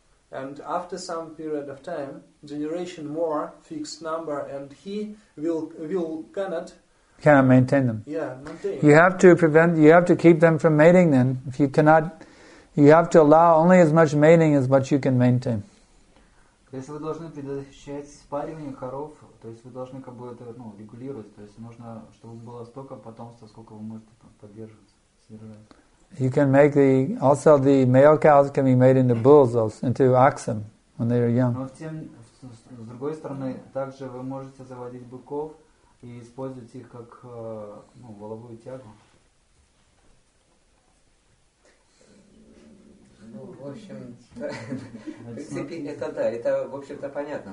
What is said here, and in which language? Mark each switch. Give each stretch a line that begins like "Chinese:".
English: And after some period of time, generation more fixed number, and he will cannot maintain them. Yeah, maintain. You have to keep them from mating then. If you cannot, you have to allow only as much mating as what you can maintain.
Russian: Если вы должны предотвращать спаривание коров, то есть вы должны как бы это регулировать, то есть нужно, чтобы было столько потомства, сколько вы можете поддерживать, содержать.
English: You can make the also the male cows can be made into bulls, also, into oxen when they are young.
Russian: Но с другой стороны, также вы можете заводить быков и использовать их как воловую тягу. В общем, это в общем-то понятно.